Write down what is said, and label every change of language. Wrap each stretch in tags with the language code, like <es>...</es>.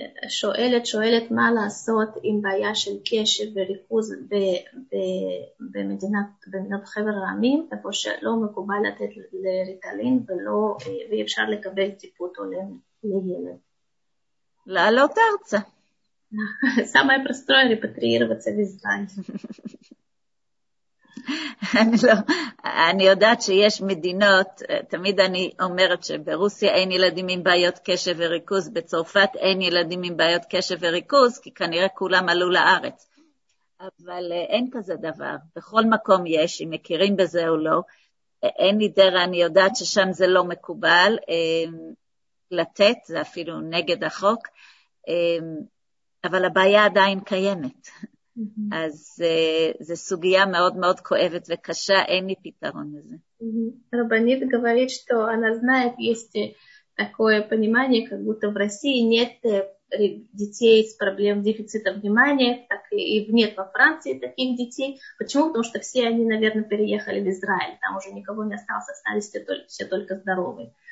<he>Шоэлет ма ласот им бая шель кешев верихуз במדינת חבר העמים, איפה שלא מקובל לתת לריטלין ואי אפשר לקבל טיפול הולם לילד. לעלות ארצה.</he> <ru>Самое простое – репатриироваться в Израиль.</ru> <he>אני יודעת שיש מדינות, תמיד אני אומרת שברוסיה אין ילדים עם בעיות קשב וריכוז, בצרפת אין ילדים עם בעיות קשב וריכוז, כי כנראה כולם עלו לארץ. אבל אין כזה דבר. בכל מקום יש, אם מכירים בזה או לא. אין לי דרך, אני יודעת ששם זה לא מקובל. לתת, זה אפילו נגד החוק. אבל הבעיה עדיין קיימת. אז זו סוגיה מאוד מאוד כואבת וקשה, אין לי פתרון לזה.</he> <ru>רבנית говорит, что она знает, есть такое понимание, как будто в России нет детей с проблем дефицита внимания, так и нет во Франции таких детей. Почему? Потому что все они, наверное, переехали в Израиль, там уже никого не осталось, остались все только здоровые.</ru>